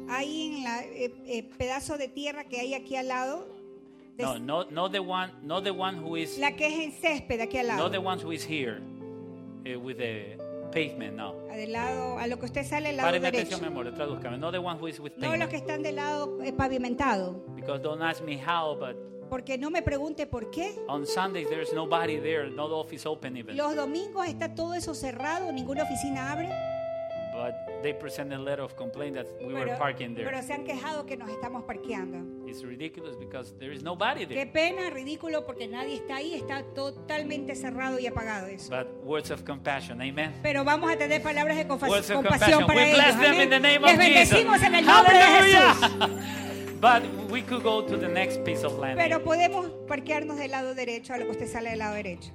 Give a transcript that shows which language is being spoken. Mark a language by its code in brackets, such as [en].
[es] Ahí en la pedazo de tierra que hay aquí al lado. [en] No, not the one who is. [es] La que es en césped aquí al lado. [en] Not the one who is here, with the pavement now. [es] Del lado, a lo que usted sale al lado Páreme derecho. Atención, mi amor, tradúzcame. [en] Not the one who is with pavement. [es] No los que están del lado pavimentado. [en] Because don't ask me how, but. [es] Porque no me pregunte por qué. [en] On Sundays there is nobody there, no office open even. [es] Los domingos está todo eso cerrado, ninguna oficina abre. [en] But they presented a letter of complaint that we were parking there. [es] Pero se han quejado que nos estamos parqueando. [en] It's ridiculous because there is nobody there. [es] Qué pena, ridículo, porque nadie está ahí. Está totalmente cerrado y apagado eso. [en] But words of compassion, amen. [es] Pero vamos a tener palabras de compasión para ellos. [en] We bless them in the name of Jesus. [es] Les bendecimos en el nombre de Jesús. [en] But we could go to the next piece of land. [es] Pero podemos parquearnos del lado derecho a lo que usted sale del lado derecho.